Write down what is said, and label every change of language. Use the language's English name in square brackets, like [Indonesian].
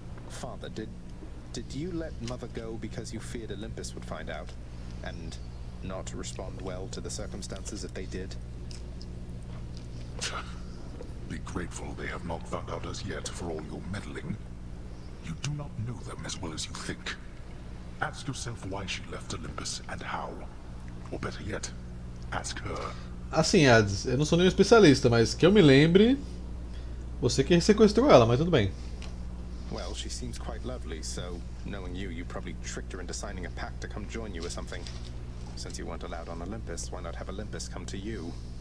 [English] Father, did you let Mother go because you feared Olympus would find out and not respond well to the circumstances if they did? Be grateful they have not found out as yet for all your meddling. You do not know them as well as you think. Ask yourself why she left Olympus and how. Or better yet, ask her. [Portuguese] Assim, Hades, eu não sou nenhum especialista, mas que eu me lembre, você que sequestrou ela, mas tudo bem. [English] Well, she seems quite lovely, so knowing you, you probably tricked her into signing a pact to come join you or something. Since you weren't allowed on Olympus, why not have Olympus come to you?